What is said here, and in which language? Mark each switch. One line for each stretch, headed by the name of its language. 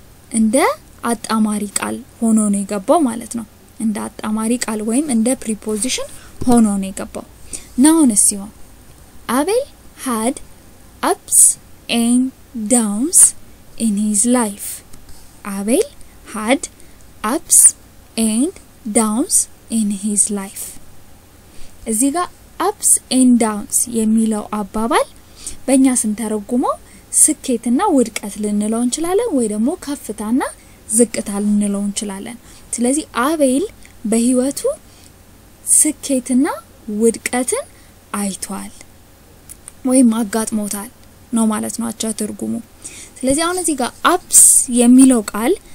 Amharic: እንደ አጣማሪ ቃል ሆኖ ነው የገባው ማለት ነው። እንደ አጣማሪ ቃል ወይም እንደ preposition ሆኖ ነው የገባው። ናውን ሲሆን አቤል
English: had ups and downs in his life. አቤል had ups and downs in his life.
Amharic: እዚህ ጋር ups and downs የሚለው አባባል በእኛ ስንተረጉመው ስኬትና ውድቀት ልንለው እንችላለን ወይ ደግሞ ከፍታና ዝቅታ ልንለው እንችላለን። ስለዚህ አቤል በህይወቱ ስኬትና ውድቀትን አይቷል ወይም አጋጥሞታል ነው ማለት ነው አቻ ትርጉሙ። ስለዚህ አሁን እዚህ ጋር አፕስ የሚለው ቃል